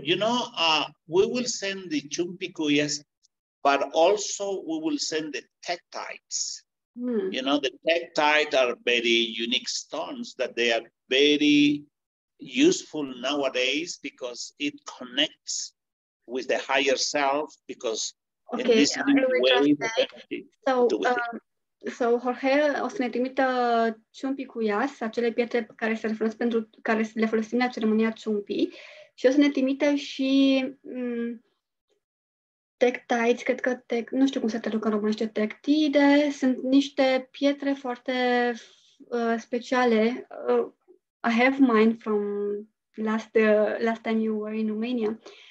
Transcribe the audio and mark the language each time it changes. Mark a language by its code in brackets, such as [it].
[en] You know, we will send the chumpicuyas, but also we will send the tektites. You know, the tektites are very unique stones that they are very useful nowadays because it connects with the higher self, because okay, in this new way, [ro] so Jorge o să ne trimită ciumpicuias, acele pietre care se referă pentru care le folosim la ceremonia ciumpii, și o să ne trimită și tektites, cred că nu știu cum se traduc în românește, tektide, sunt niște pietre foarte speciale. [en] I have mine from last time you were in Romania.